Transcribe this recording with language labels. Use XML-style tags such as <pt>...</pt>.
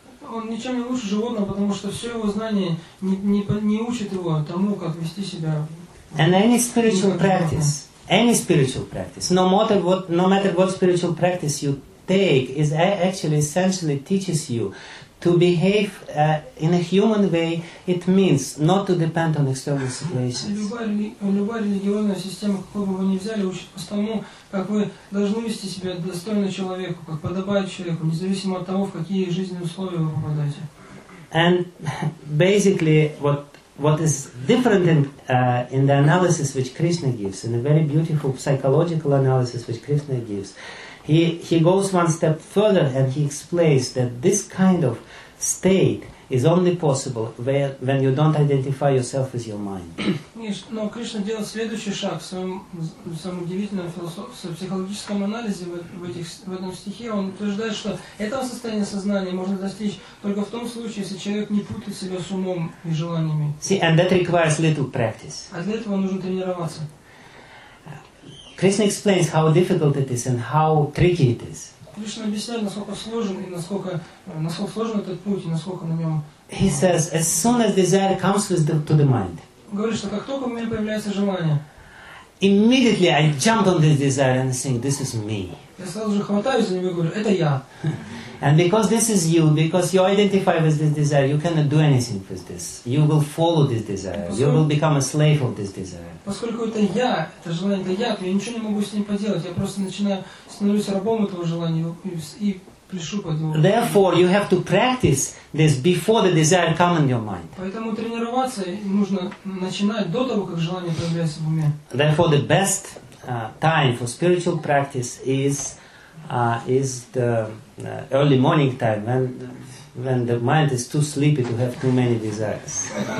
<ru>Он ничем не лучше животного, потому что все его знание не учит его тому, как вести себя.</ru> <en>And any spiritual practice, no matter what spiritual practice you take, is actually essentially teaches you to behave in a human way. It means not to depend on external situations.</en> <ru>Любая религиозная система, какую бы вы ни взяли, учит тому, как вы должны вести себя достойно человеку, как подобает человеку, независимо от того, в какие жизненные условия вы попадаете.</ru> <en>And basically, what is different in the analysis which Krishna gives, in a very beautiful psychological analysis which Krishna gives, he goes one step further and he explains that this kind of state is only possible when you don't identify yourself with your mind.</en> <ru>Но Кришна делает следующий шаг в своем удивительном психологическом анализе в этом стихе. Он утверждает, что этого состояния сознания можно достичь только в том случае, если человек не путает себя с умом и желаниями.</ru> <en>See, and that requires little practice.</en> <ru>А для этого нужно тренироваться.</ru> <en>Krishna explains how difficult it is and how tricky it is.</en> <ru>Кришна объясняет, насколько сложен и насколько сложен этот путь и насколько на нем.</ru> <en>He says, as soon as desire comes to the mind.</en> <ru>Говорит, что как только у меня появляется желание.</ru> <en>Immediately I jump on this desire and think, this is me.</en> <ru>Я сразу же хватаюсь за него и говорю, это я.</ru> <en>And because this is you, because you identify with this desire, you cannot do anything with this. You will follow this desire. You will become a slave of this desire.</en> <ru>Поскольку это я, это желание, это я, то я ничего не могу с ним поделать. Я просто начинаю становиться рабом этого желания и пришу под него.</ru> <en>Therefore, you have to practice this before the desire comes in your mind.</en> <ru>Поэтому тренироваться нужно начинать до того, как желание появляется в уме.</ru> <en>Therefore, the best time for spiritual practice is the early morning time when the mind is too sleepy to have too many desires.</en>